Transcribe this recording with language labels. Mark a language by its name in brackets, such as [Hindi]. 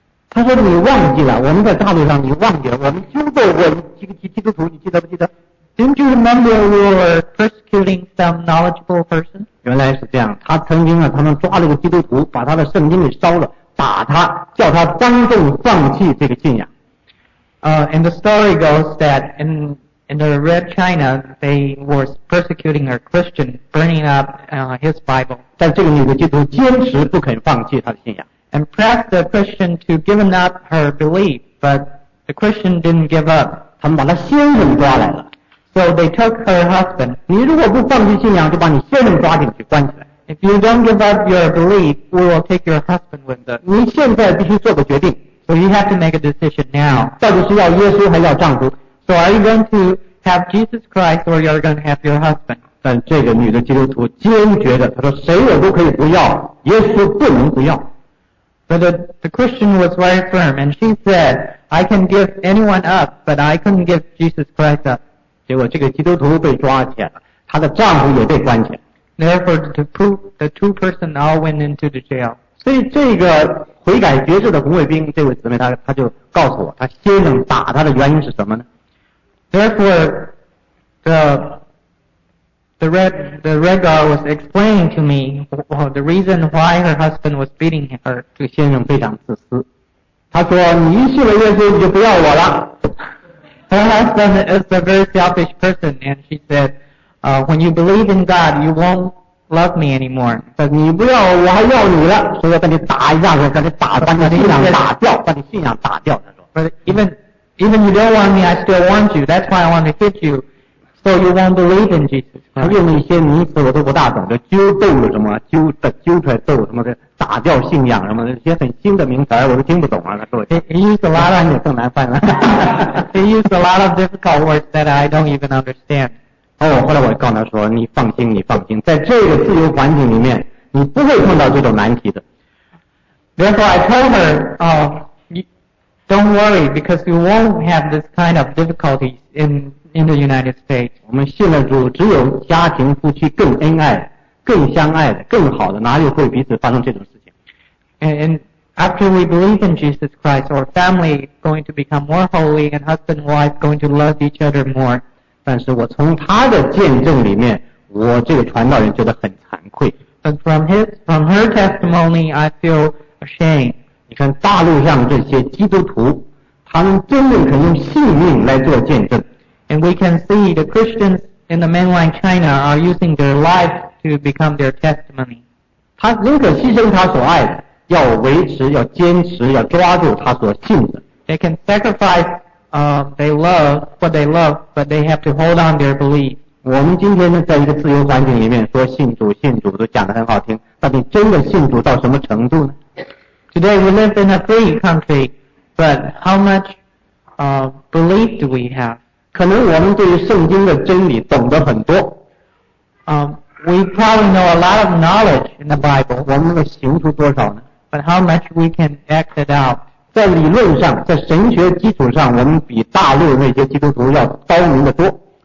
[Chinese] 他说你忘记了，我们在大陆上你忘记了，我们纠斗过基督徒，你记得不记得 [English] ？Didn't you remember we were persecuting some knowledgeable person? [Chinese] 原来是这样，他曾经啊，他们抓了个基督徒，把他的圣经给烧了。打他，叫他当众放弃这个信仰。 [English] And the story goes that in the Red China, they were persecuting a Christian, burning up his Bible. [Chinese] 但这个女的基督徒坚持不肯放弃她的信仰。 [English] And pressed the Christian to give up her belief, but the Christian didn't give up. [Chinese] 他们把她先生抓来了。 [English] So they took her husband. [Chinese] 你如果不放弃信仰，就把你先生抓进去关起来。 [English] If you don't give up your belief, we will take your husband with us. [Chinese] 你现在必须做个决定。 [English] So you have to make a decision now. [Chinese] 到底是要耶稣还要丈夫 [English] ？So are you going to have Jesus Christ or you're going to have your husband? [Chinese] 但这个女的基督徒坚决的，她说谁我都可以不要，耶稣不能不要。 [English] But the Christian was very firm, and she said, "I can give anyone up, but I couldn't give Jesus Christ up." [Chinese] 结果这个基督徒被抓起来了，她的丈夫也被关起来。 [English] Therefore, the two person all went into the jail. [Chinese] 所以这个悔改绝志的红卫兵这位姊妹 他就告诉我他先生打他的原因是什么呢 [English] Therefore, the red guard was explaining to me the reason why her husband was beating her. [Chinese] 这个先生非常自私。他说你一信了耶稣你就不要我了。 [English] Her husband is a very selfish person, and she said,when you believe in God, you won't love me anymore. [Chinese] 但你不要我还要你了所以要把你打一下把你打把你信仰打掉把你信仰打掉。 [English] But even you don't want me, I still want you. That's why I want to hit you. So you won't believe in Jesus. [Chinese] 他用一些名词我都不大懂就揪斗了什么揪出来斗什么的打掉信仰什么的一些很新的名词我都听不懂啊他说。 [English] He used a lot of, [Chinese] 更难犯了。 [English] He used a lot of difficult words that I don't even understand. [Chinese] 哦，后来我告诉他说：“你放心，你放心，在这个自由环境里面，你不会碰到这种难题的。” [English] Therefore, I told her, don't worry, because you won't have this kind of difficulties in the United States. [Chinese] 我们信了主，只有家庭夫妻更恩爱、更相爱的、更好的，哪里会彼此发生这种事情 [English] ？And after we believe in Jesus Christ, our family going to become more holy, and husband and wife going to love each other more. [Chinese] 但是我从他的见证里面，我这个传道人觉得很惭愧。 [English] But from her testimony, I feel ashamed. [Chinese] 你看大陆上这些基督徒，他们真的可用性命来做见证。 [English] And we can see the Christians in the mainland China are using their life to become their testimony. [Chinese] 他宁可牺牲他所爱的，要维持，要坚持，要抓住他所信的。 [English] They can sacrifice. They love what they love, but they have to hold on their belief. [Chinese] 我们今天呢，在一个自由环境里面说信主，信主都讲得很好听。到底真的信主到什么程度呢 [English] ？Today we live in a free country, but how much belief do we have? [Chinese] 可能我们对于圣经的真理懂得很多。 [English] We probably know a lot of knowledge in the Bible. [Chinese] 我们能行出多少呢 [English] ？But how much we can act it out? [Chinese] 在理论上，在神学基础上，我们比大陆那些基督徒要高明的多。